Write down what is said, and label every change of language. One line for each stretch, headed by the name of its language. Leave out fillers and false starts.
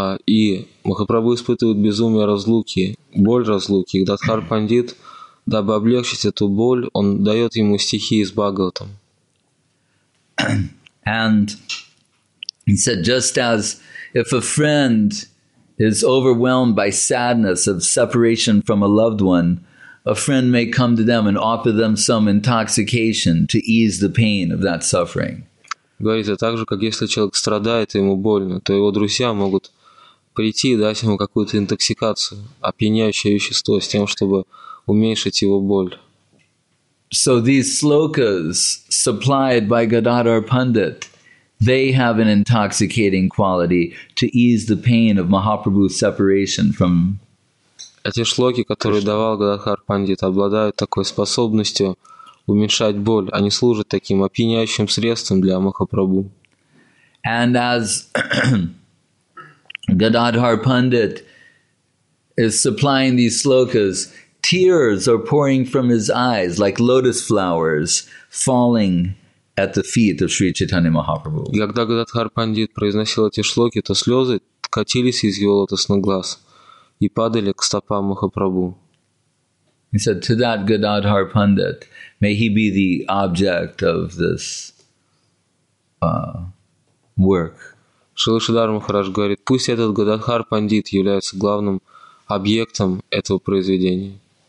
Russian: И Махапрабху испытывает безумие разлуки, боль разлуки. Гададхар Пандит, дабы облегчить эту боль, он дает ему стихи из Бхагаватам.
English: And he said, just as if a friend is overwhelmed by sadness of separation from a loved one, a friend may come to them and offer them some intoxication to ease the pain of that suffering.
Russian: Говорит, так же, как если человек страдает и ему больно, то его друзья могут прийти и дать ему какую-то интоксикацию, опьяняющее вещество, с тем, чтобы уменьшить его боль.
English: So these slokas supplied by Gadadhar Pandit, they have an intoxicating quality to ease the pain of Mahaprabhu's separation from.
Russian: Эти шлоки, которые давал Гададхар Пандит, обладают такой способностью уменьшать боль. Они служат таким опьяняющим средством для Махапрабху.
English: And as Gadadhar Pandit is supplying these slokas, tears are pouring from his eyes like lotus flowers falling at the feet of Sri Chaitanya Mahaprabhu.
Russian: И когда Гададхар Пандит произносил эти шлоки, то слезы катились из его лотосных глаз и падали к стопам Махапрабху.
English: He said, to that Gadadhar Pandit, may he be the object of this work.
Russian: Шрила Шридхара Махарадж говорит, пусть этот Гададхар Пандит является главным объектом этого произведения.